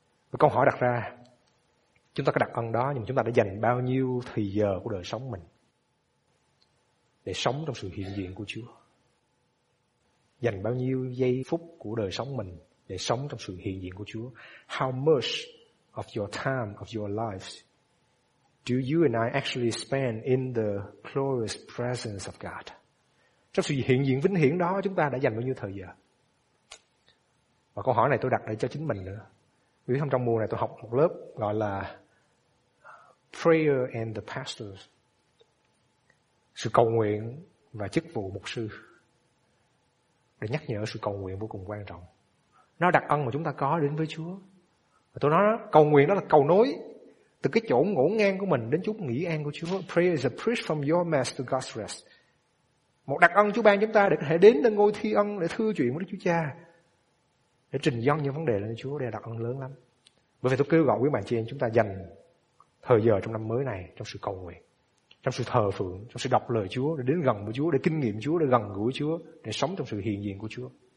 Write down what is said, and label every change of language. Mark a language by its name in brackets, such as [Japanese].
[Vietnamese] Và câu hỏi đặt ra, chúng ta có đặc ân đó, nhưng mà chúng ta đã dành bao nhiêu thời giờ của đời sống mình để sống trong sự hiện diện của Chúa? Dành bao nhiêu giây phút của đời sống mình để sống trong sự hiện diện của Chúa? [English] How much of your time, of your lives, do you and I actually spend in the glorious presence of God? [Vietnamese] Trong sự hiện diện vĩnh hiển đó, chúng ta đã dành bao nhiêu thời giờ? Và câu hỏi này tôi đặt lại cho chính mình nữa. Vì trong mùa này tôi học một lớp gọi là Prayer and the Pastors, sự cầu nguyện và chức vụ mục sư, để nhắc nhở sự cầu nguyện vô cùng quan trọng. Nó đặc ân mà chúng ta có đến với Chúa. Và tôi nói cầu nguyện đó là cầu nối từ cái chỗ ngổ ngang của mình đến chút nghỉ an của Chúa. [English] Prayer is a bridge from your mess to God's rest. [Vietnamese] Một đặc ân Chúa ban chúng ta để có thể đến lên ngôi thi ân để thưa chuyện với Đức Chúa Cha, để trình dâng những vấn đề lên Chúa. Đây là đặc ân lớn lắm. Bởi vậy tôi kêu gọi quý bạn chị em chúng ta dành thời giờ trong năm mới này trong sự cầu nguyện, trong sự thờ phượng, trong sự đọc lời Chúa, để đến gần với Chúa, để kinh nghiệm Chúa, để gần gũi Chúa, để sống trong sự hiện diện của Chúa.